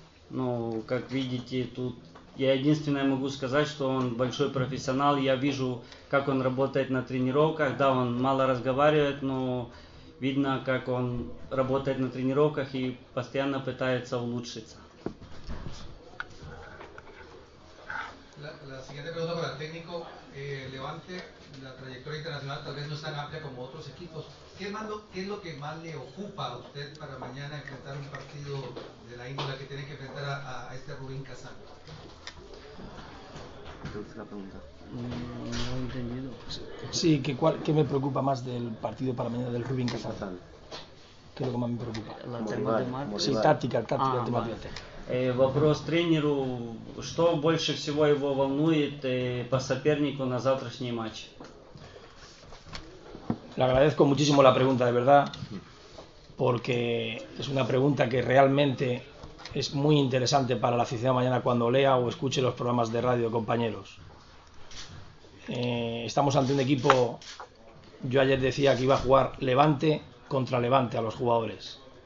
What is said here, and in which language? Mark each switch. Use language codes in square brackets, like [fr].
[ru] Ну, как видите, тут я единственное могу сказать, что он большой профессионал. Я вижу, как он работает на тренировках. Да, он мало разговаривает, но видно, как он работает на тренировках и постоянно пытается улучшиться. [es] La siguiente pregunta para el técnico. Levante, la trayectoria internacional tal vez no es tan amplia como otros equipos. ¿Qué es lo que más le ocupa a usted para mañana enfrentar un partido de la índole que tiene que enfrentar a este Rubín Kazán? La pregunta. No sí, ¿qué me preocupa más del partido para mañana del Rubín Kazán? ¿Qué es lo que más me preocupa? La tema de Marcos. Sí, táctica, el tema de [ru] Вопрос тренеру, что больше всего его волнует по сопернику на завтрашний матч? [es] Le agradezco muchísimo la pregunta, de verdad, porque es una pregunta que realmente es muy interesante para la afición mañana cuando lea o escuche los programas de radio, compañeros. Estamos ante un equipo, yo ayer decía que iba a jugar Levante contra Levante a los jugadores.